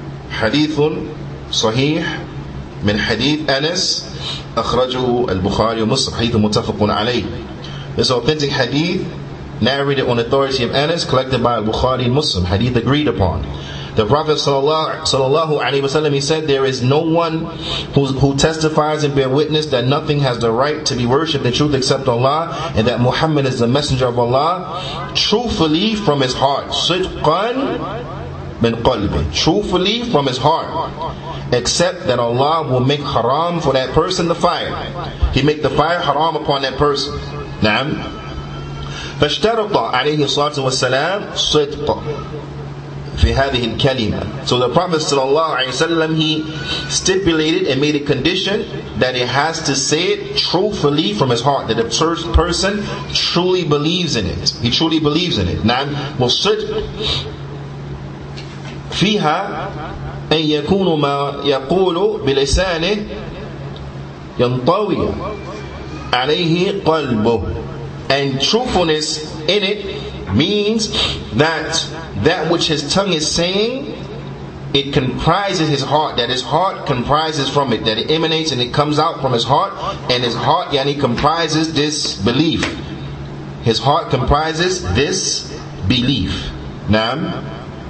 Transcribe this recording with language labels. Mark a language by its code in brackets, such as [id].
[ar] حديث صحيح من حديث أنس أخرجه البخاري ومسلم حديث متفق عليه. [en] This authentic hadith narrated on authority of Anas, collected by al-Bukhari and Muslim, hadith agreed upon. The Prophet sallallahu alaihi wasallam, he said, there is no one who testifies and bear witness that nothing has the right to be worshipped in truth except Allah, and that Muhammad is the messenger of Allah truthfully from his heart. Sidqan min qalbi, truthfully from his heart. Except that Allah will make haram for that person the fire. He make the fire haram upon that person. Naam. [ar] فاشترط عليه الصلاة والسلام صدق في هذه الكلمة. [en] So the Prophet [ar] صلى الله عليه وسلم, [en] he stipulated and made a condition that he has to say it truthfully from his heart, that the person truly believes in it. He truly believes in it. [ar] نعم. وصدق فيها أن يكون ما يقول بلسانه ينطوي عليه قلبه. [en] And truthfulness in it means that which his tongue is saying, it comprises his heart. That his heart comprises from it. That it emanates and it comes out from his heart. And his heart, yani, comprises this belief. His heart comprises this belief. Naam.